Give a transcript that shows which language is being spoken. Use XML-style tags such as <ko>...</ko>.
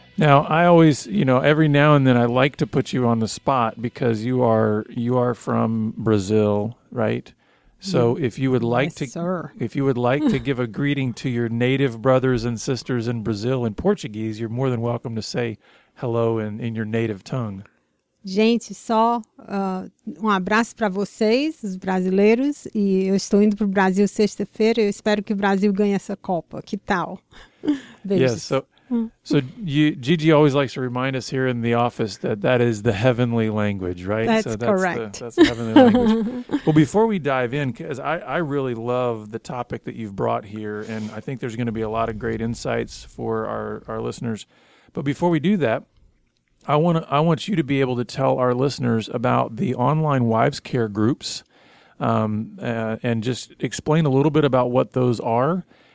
<en>Now, I always, you know, every now and then I like to put you on the spot because you are from Brazil, right? So if you would like to give a greeting to your native brothers and sisters in Brazil in Portuguese, you're more than welcome to say hello in your native tongue.</en> <pt>Gente, só um abraço para vocês, os brasileiros, e eu estou indo para o Brasil sexta-feira, eu espero que o Brasil ganhe essa Copa, que tal? Beijos.</pt> <en>Yeah, so you, Gigi always likes to remind us here in the office that is the heavenly language, right? That's correct. That's the heavenly language. Well, before we dive in, because I really love the topic that you've brought here, and I think there's going to be a lot of great insights for our listeners, but before we do that, I want you to be able to tell our listeners about the online wives care groups and just explain a little bit about what those are.</en>